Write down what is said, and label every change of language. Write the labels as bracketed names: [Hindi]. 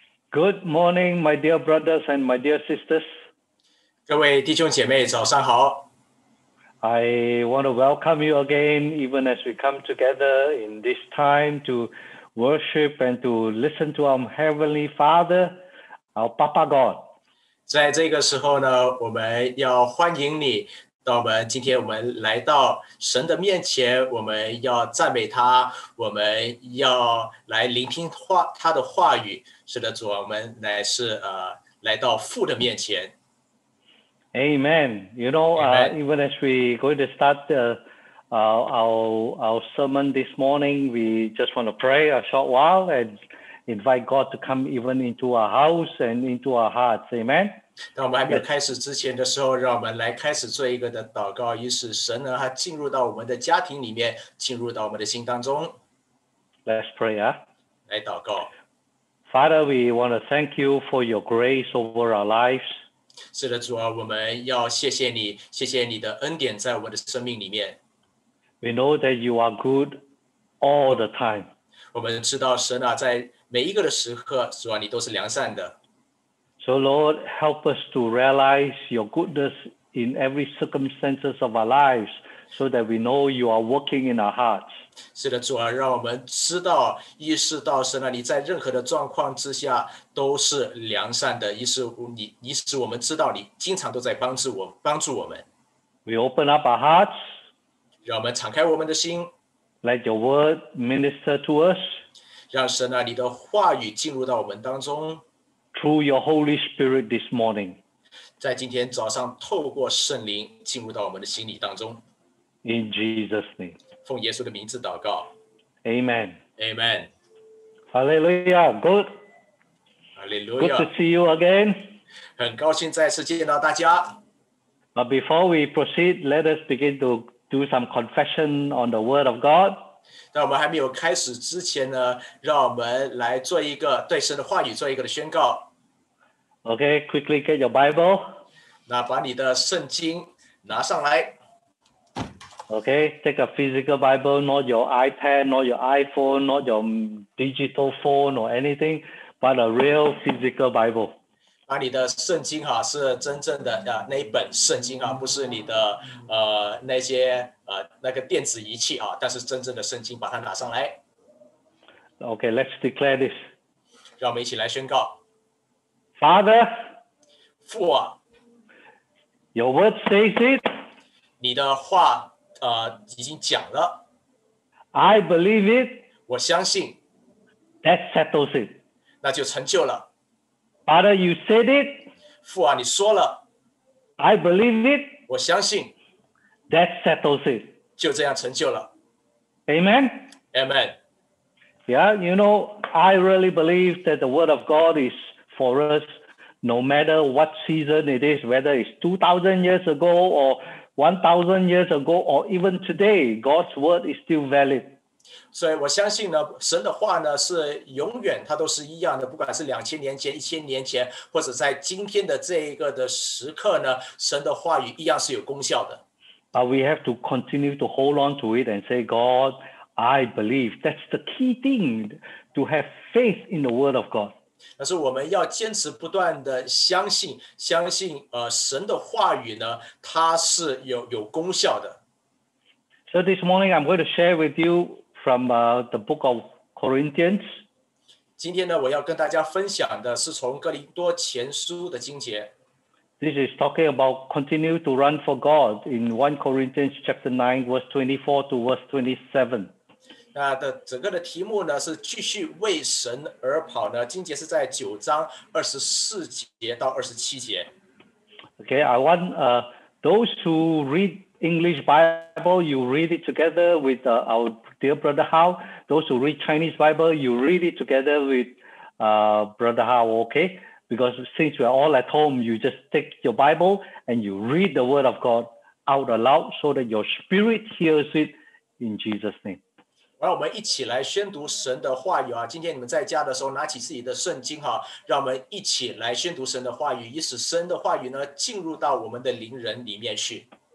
[English] Good morning, my dear brothers and my dear sisters. [Chinese] 各位弟兄姐妹，早上好。 [English] I want to welcome you again, even as we come together in this time to worship and to listen to our Heavenly Father, our Papa God. [Chinese] 在这个时候呢，我们要欢迎你到我们今天我们来到神的面前，我们要赞美他，我们要来聆听他的话语。是的，主，我们乃是来到父的面前。 [English] Amen. You know, even as we going to start our sermon this morning, we just want to pray a short while and invite God to come even into our house and into our hearts. Amen. [Chinese] 当我们还没有开始之前的时候，让我们来开始做一个的祷告，以使神呢，他进入到我们的家庭里面，进入到我们的心当中。 [English] Let's pray. [Chinese] 来祷告。 [English] Father, we want to thank you for your grace over our lives. [Chinese] 是的，主啊，我们要谢谢你，谢谢你的恩典在我们的生命里面。 [English] We know that you are good all the time. [Chinese] 我们知道神啊，在每一个的时刻，主啊，你都是良善的。 [English] So Lord, help us to realize your goodness in every circumstances of our lives, so that we know you are working in our hearts. [Chinese] 是的，主啊，让我们知道、意识到神啊，你在任何的状况之下都是良善的，以使我们知道你经常都在帮助我们。 [English] We open up our hearts， [Chinese] 让我们敞开我们的心。 [English] Let your word minister to us， [Chinese] 让神啊，你的话语进入到我们当中。 [English] Through your Holy Spirit this morning， [Chinese] 在今天早上透过圣灵进入到我们的心里当中。 [English] In Jesus' name。 [Chinese] 奉耶稣的名字祷告。 [English] Amen. [Chinese] Amen. [English] Hallelujah. Good. Hallelujah. Good to see you again. [Chinese] 很高兴再次见到大家。 [English] But before we proceed, let us begin to do some confession on the word of God. [Chinese] 在我们还没有开始之前呢，让我们来做一个对神的话语做一个的宣告。 [English] Okay, quickly get your Bible. [Chinese] 那把你的圣经拿上来。 [English] Okay, take a physical Bible, not your iPad, not your iPhone, not your digital phone or anything, but a real physical Bible. [Chinese] 把你的圣经哈是真正的那一本圣经哈，不是你的那些那个电子仪器啊，但是真正的圣经把它拿上来。 [English] Okay, let's declare this. [Chinese] 让我们一起来宣告。 [English] Father, [Chinese] 父啊 [English] ，Your word says it. [Chinese] 你的话已经讲了。 [English] I believe it. [Chinese] 我相信。 [English] That settles it. [Chinese] 那就成就了。 [English] Father, you said it. [Chinese] 父啊，你说了。 [English] I believe it. [Chinese] 我相信。 [English] That settles it. [Chinese] 就这样成就了。 [English] Amen. [Chinese] Amen. [English] Yeah, you know, I really believe that the word of God is for us, no matter what season it is, whether it's 2,000 years ago or 1,000 years ago or even today, God's word is still valid. [Chinese] 所以我相信呢，神的话呢是永远它都是一样的，不管是2000年前、1000年前，或者在今天的这一个的时刻呢，神的话语一样是有功效的。 [English] But we have to continue to hold on to it and say, God, I believe. That's the key thing, to have faith in the word of God. [Chinese] 但是我们要坚持不断的相信神的话语呢，它是有功效的。 [English] So this morning I'm going to share with you from the book of Corinthians. [Chinese] 今天呢，我要跟大家分享的是从哥林多前书的经节。 [English] This is talking about continue to run for God in 1 Corinthians chapter 9, verse 24 to verse 27. [Chinese] 那的整个的题目呢是继续为神而跑呢，经节是在九章二十四节到二十七节。 [English] Okay, I want those who read English Bible, you read it together with our dear brother Hao. Those who read Chinese Bible, you read it together with brother Hao. Okay, because since we're all at home, you just take your Bible and you read the Word of God out aloud so that your spirit hears it in Jesus' name. [Chinese] 让我们一起来宣读神的话语啊！今天你们在家的时候，拿起自己的圣经哈、啊，让我们一起来宣读神的话语，以使神的话语呢进入到我们的灵人里面去。